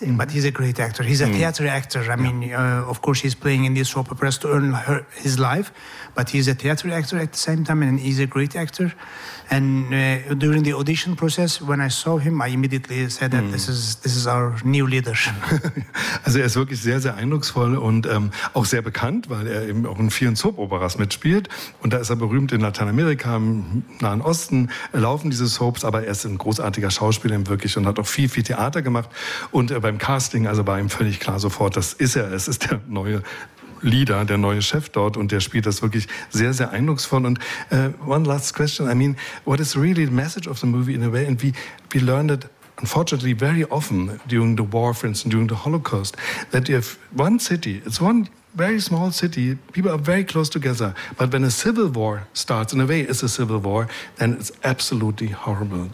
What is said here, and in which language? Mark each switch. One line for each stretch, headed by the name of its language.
English: Mm. But he's a great actor. He's a theater actor. I mean, of course, he's playing in these soap operas to earn his life. But he's a theater actor at the same time, and he's a great actor. And during the audition process, when I saw him, I immediately said that this is our new leader.
German: Also er ist wirklich sehr, sehr eindrucksvoll und auch sehr bekannt, weil er eben auch in vielen Soap-Operas mitspielt. Und da ist er berühmt in Lateinamerika, im Nahen Osten, laufen diese Soaps, aber er ist ein großartiger Schauspieler wirklich und hat auch viel, viel Theater gemacht. Und beim Casting, also war ihm völlig klar sofort, das ist er, es ist der neue Leader, der neue Chef dort, und der spielt das wirklich sehr, sehr eindrucksvoll.
English: Und one last question, I mean, what is really the message of the movie in a way? And we learned it, unfortunately, very often during the war, for instance, during the Holocaust, that you have one city, it's one very small city, people are very close together, but when a civil war starts, in a way it's a civil war, then it's absolutely horrible.